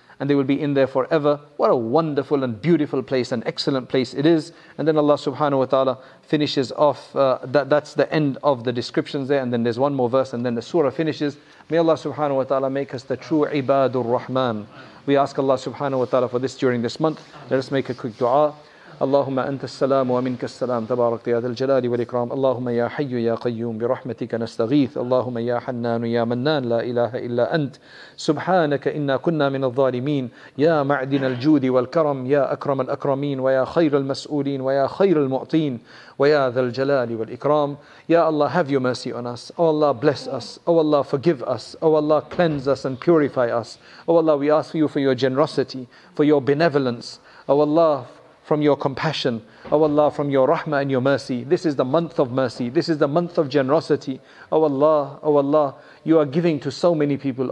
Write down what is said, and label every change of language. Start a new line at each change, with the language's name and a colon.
English: And they will be in there forever. What a wonderful and beautiful place, an excellent place it is. And then Allah subhanahu wa ta'ala finishes off. That's the end of the descriptions there. And then there's one more verse and then the surah finishes. May Allah subhanahu wa ta'ala make us the true ibadur rahman. We ask Allah subhanahu wa ta'ala for this during this month. Let us make a quick dua.
Arabic: اللهم أنت السلام ومنك السلام تبارك يا ذا الجلال والإكرام اللهم يا حي يا قيوم برحمتك نستغيث اللهم يا حنان يا منان لا إله إلا أنت سبحانك إنا كنا من الظالمين يا معدن الجود والكرم يا أكرم الأكرمين ويا خير المسؤولين ويا خير المعطين ويا ذا الجلال والإكرام يا الله
English: have your mercy on us. Oh Allah, bless us. Oh Allah, forgive us. Oh Allah, cleanse us and purify us. Oh Allah, we ask you for your generosity, for your benevolence. Oh Allah, from your compassion, oh Allah, from your rahmah and your mercy. This is the month of mercy. This is the month of generosity. Oh Allah, you are giving to so many people.